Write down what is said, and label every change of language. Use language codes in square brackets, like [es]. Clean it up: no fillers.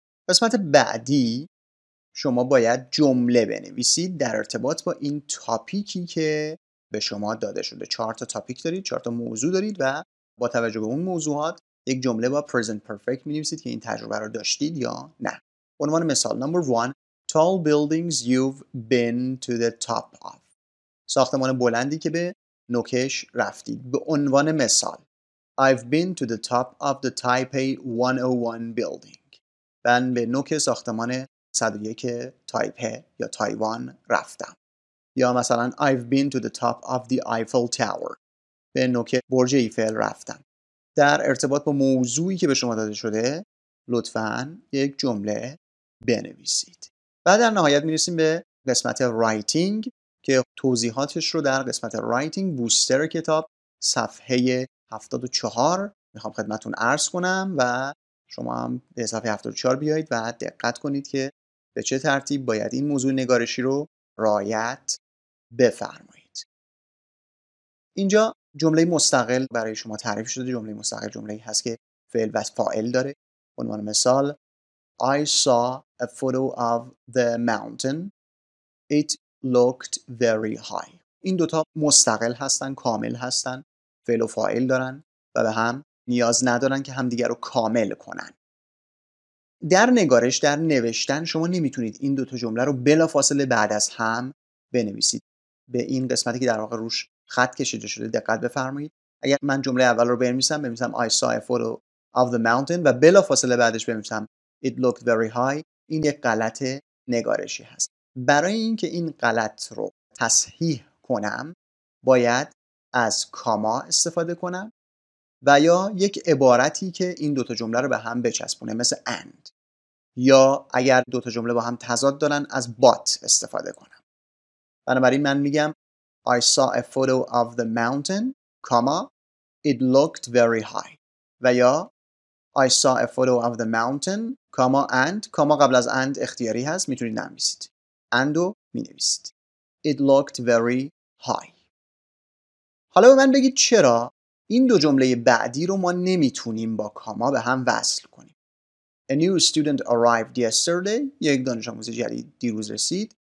[fa] قسمت بعدی شما باید جمله بنویسید در ارتباط با این تاپیکی که به شما داده شده. چهار تا تاپیک دارید، چهار تا موضوع دارید و با توجه به اون موضوعات یک جمله با present perfect می‌نویسید که این تجربه رو داشتید یا نه. عنوان مثال [en] number 1 tall buildings you've been to the top of. [fa] ساختمان بلندی که به نوکش رفتید. به عنوان مثال [en] I've been to the top of the Taipei 101 building. [fa] من به نوک ساختمان 101 تایپه یا تایوان رفتم. یا مثلا [en] I've been to the top of the Eiffel Tower. [fa] به نوک برج ایفل رفتم. در ارتباط با موضوعی که به شما داده شده لطفاً یک جمله بنویسید. بعد در نهایت می‌رسیم به قسمت رایتینگ که توضیحاتش رو در قسمت رایتینگ بوستر کتاب صفحه 74 میخوام خدمتون عرض کنم و شما هم به صفحه 74 بیایید و دقت کنید که به چه ترتیب باید این موضوع نگارشی رو رعایت بفرمایید. اینجا جمله مستقل برای شما تعریف شده. جمله مستقل جمله‌ای هست که فعل و فاعل داره. عنوان مثال [en] I saw a photo of the mountain. It looked very high. [fa] این دوتا مستقل هستن، کامل هستن، فعل و فاعل دارن و به هم نیاز ندارن که همدیگر رو کامل کنن. در نگارش، در نوشتن شما نمیتونید این دوتا جمله رو بلافاصله بعد از هم بنویسید. به این قسمتی که در واقع روش خط کشیده شده دقت بفرمایید. اگر من جمله اول رو بنویسم، بنویسم [en] I saw a photo of the mountain [fa] و بلافاصله بعدش بنویسم [en] It looked very high، [fa] این یک غلط نگارشی هست. برای اینکه این غلط رو تصحیح کنم باید از کاما استفاده کنم و یا یک عبارتی که این دوتا جمله رو به هم بچسبونه، مثل and، یا اگر دوتا جمله با هم تضاد دارن از but استفاده کنم. بنابراین من میگم [en] I saw a photo of the mountain، it looked very high، [fa] و یا [en] I saw a photo of the mountain، [fa] and، قبل از and اختیاری هست، میتونید ننویسید. and رو مینویسید. [en] It looked very high. [fa] حالا به من بگید چرا این دو جمله بعدی رو ما نمیتونیم با کاما به هم وصل کنیم. [en] A new student arrived yesterday، [fa] یک دانش آموز جدید دیروز رسید.